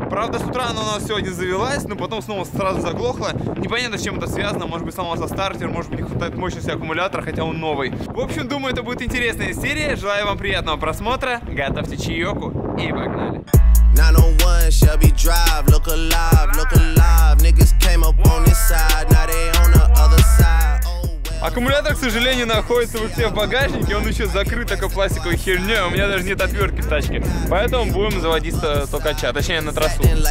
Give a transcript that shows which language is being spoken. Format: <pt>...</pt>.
<ru>Правда, с утра она у нас сегодня завелась, но потом снова сразу заглохла. Непонятно, с чем это связано. Может быть, сломался стартер, может быть, не хватает мощности аккумулятора, хотя он новый. В общем, думаю, это будет интересная серия. Желаю вам приятного просмотра. Готовьте чаёку и погнали.</ru> <en>901 Shelby Drive, look alive, look alive. Niggas came up on this side, now they on the other side.</en> <ru>Аккумулятор, к сожалению, находится у всех в багажнике, он еще закрыт такой пластиковой херней, у меня даже нет отвертки в тачке. Поэтому будем заводиться токача, точнее на трассу.</ru>